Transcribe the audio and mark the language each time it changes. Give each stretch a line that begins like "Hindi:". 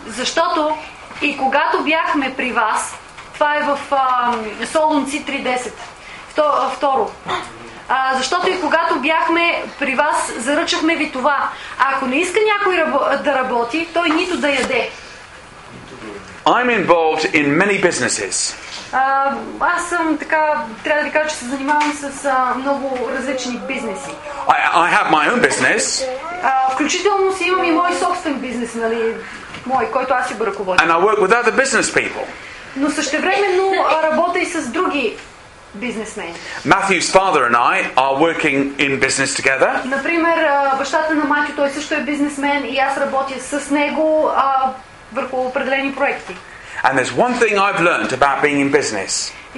Bulgarian: Защото и когато бяхме при вас, това е в Солунци 3:10. Второ. Защото и когато бяхме при вас, заръчахме ви това. Ако не иска някой да работи, той нито да яде.
English: I'm involved in many businesses.
Bulgarian: Аз съм така, трябва да ви кажа, че се занимавам с много различни бизнеси.
English: I have my own business.
Bulgarian: Включително си имам и мой собствен бизнес, нали, мой, който аз си го ръководя.
English: And I work with other business people.
Bulgarian: Но същевременно работя и с други бизнесмени.
English: Matthew's father and I are working in business together.
Bulgarian: Например, бащата на Матю, той също е бизнесмен и аз работя с него върху определени проекти.
English: And there's one thing I've learned about being in business.